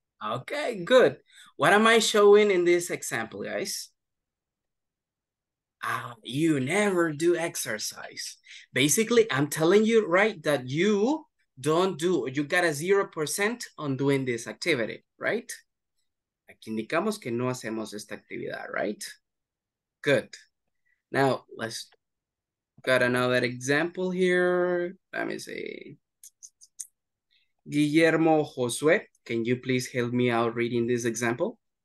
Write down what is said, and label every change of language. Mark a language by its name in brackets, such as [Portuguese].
[English] Okay, good. What am I showing in this example, guys? You never do exercise. Basically, I'm telling you, right, that you don't do, you got a 0% on doing this activity, right? [Spanish] Aquí indicamos que no hacemos esta actividad, right? [English] Good. Now, let's got another example here. Let me see. Guillermo Josué, can you please help me out reading this example?